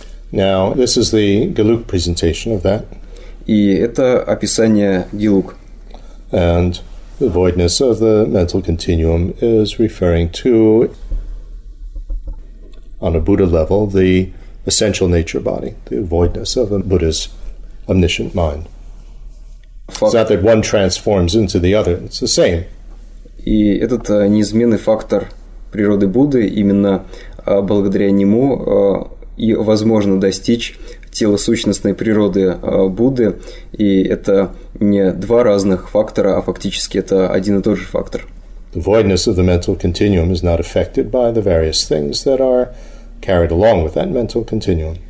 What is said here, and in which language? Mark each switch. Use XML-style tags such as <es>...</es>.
<en>Now, this is the Geluk presentation of that.</en> <ru>И это описание Geluk.</ru> <en>And the voidness of the mental continuum is referring to... on a Buddha level, the essential nature body, the voidness of a Buddha's omniscient mind. It's not that one transforms into the other, it's the same.</en> <ru>И этот неизменный фактор природы Будды, именно благодаря нему и возможно достичь телосущностной природы Будды. И это не два разных фактора, а фактически это один и тот же фактор.</ru> <en>The voidness of the mental continuum is not affected by the various things that are carried along with that mental continuum.</en>